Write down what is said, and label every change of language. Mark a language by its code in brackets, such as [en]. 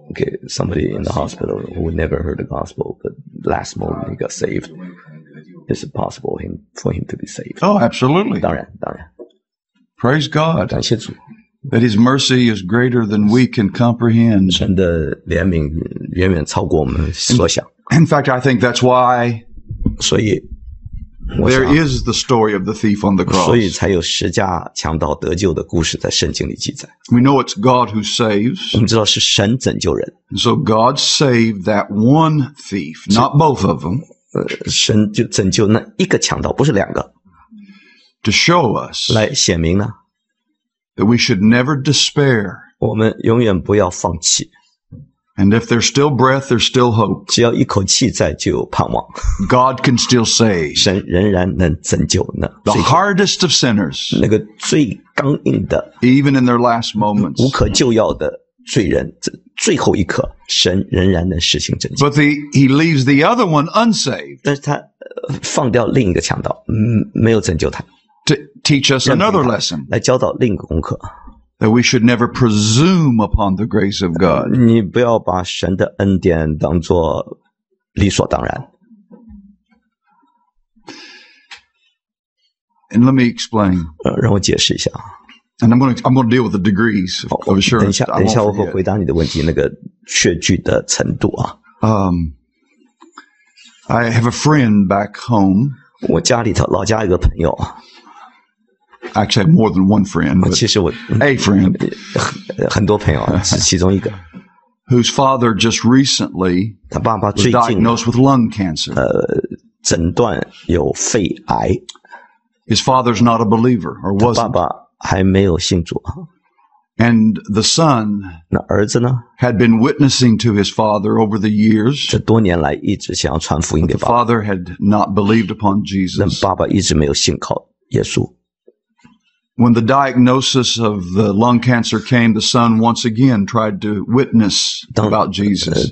[en] Okay, somebody in the hospital who never heard the gospel, but last moment he got saved. Is it possible for him to be saved? Oh, absolutely. [zh] 当然。 [en] Praise God. [zh] 感谢主 [en] that his mercy is greater than we can comprehend. [zh] 神的怜悯远远超过我们所想。 [en] In fact, I think that's why [zh] 所以 [en] there is the story of the thief on the cross. [zh] 所以才有十架强盗得救的故事在圣经里记载。 [en] We know it's God who saves. [zh] 我们知道是神拯救人。 [en] So God saved that one thief, not both of them. [zh] 神就拯救那一个强盗不是两个。 [en] To show us, [zh] 来显明呢 [en] that we should never despair. [zh] 我们永远不要放弃 [en] And if there's still breath, there's still hope. [zh] 只要一口气在，就有盼望 [en] God can still save. [zh] 神仍然能拯救呢 [en] The hardest of sinners, [zh] 那个最刚硬的 [en] even in their last moments, [zh] 无可救药的罪人，最后一刻，神仍然能实行拯救 [en] But he leaves the other one unsaved. [zh] 但是他放掉另一个强盗，没有拯救他。 [en] To teach us another lesson. [zh] 来教导另一个功课。 [en] That we should never presume upon the grace of God. [zh] 你不要把神的恩典当作理所当然。 [en] And let me explain. [zh] 让我解释一下。 [en] And I'm going to deal with the degrees of assurance. [zh] 等一下我会回答你的问题那个确据的程度啊。 [en] I have a friend back home. [zh] 我家里头老家有个朋友。 [en] Actually, I have more than one friend. A friend. [zh] 很多朋友是其中一个。 [en] Whose father just recently was diagnosed with lung cancer. [zh] 诊断有肺癌。 [en] His father's not a believer, or wasn't. [zh] 爸爸还没有信主。 [en] And the son [zh] 那儿子呢? [en] had been witnessing to his father over the years. [zh] 这多年来一直想要传福音给爸爸。 [en] The father had not believed upon Jesus. [zh] 但爸爸一直没有信靠耶稣。 [en] When the diagnosis of the lung cancer came, the son once again tried to witness about Jesus.